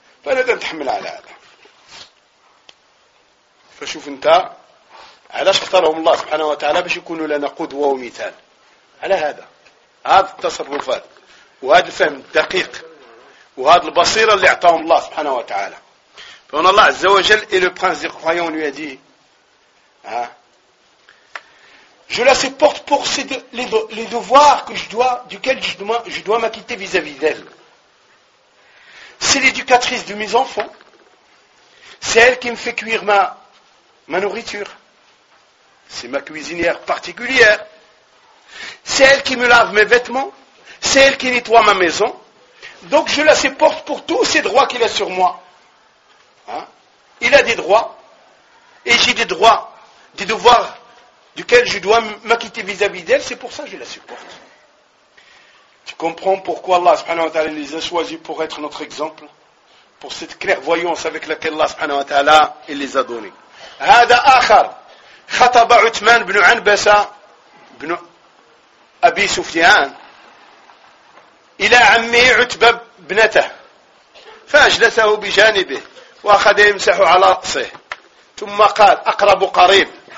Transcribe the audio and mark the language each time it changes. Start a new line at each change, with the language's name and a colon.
Arabic: فلا تحمل على هذا. فشوف انت علاش اختارهم الله سبحانه وتعالى باش يكونوا لنا قدوة ومثال على هذا، هذا التصرفات وهذا الفهم الدقيق وهذا البصيرة اللي اعطاهم الله سبحانه وتعالى. فهنا الله عز وجل
French: et le prince des croyants lui a dit je la supporte pour ces les devoirs que je dois, duquel je dois m'acquitter vis-à-vis d'elle. C'est l'éducatrice de mes enfants, c'est elle qui me fait cuire ma nourriture, c'est ma cuisinière particulière, c'est elle qui me lave mes vêtements, c'est elle qui nettoie ma maison. Donc je la supporte pour tous ces droits qu'il a sur moi. Hein? Il a des droits, et j'ai des droits, des devoirs duquel je dois m'acquitter vis-à-vis d'elle, c'est pour ça que je la supporte. Tu comprends pourquoi Allah subhanahu wa ta'ala les a choisis pour être notre exemple, pour cette clairvoyance avec laquelle Allah subhanahu wa ta'ala il les a donnés.
Arabic: هذا آخر خطب عثمان بن عنبسة بن أبي سفيان إلى عمه عتبة بنته فأجلسه بجانبه وأخذ يمسح على رأسه ثم قال أقرب قريب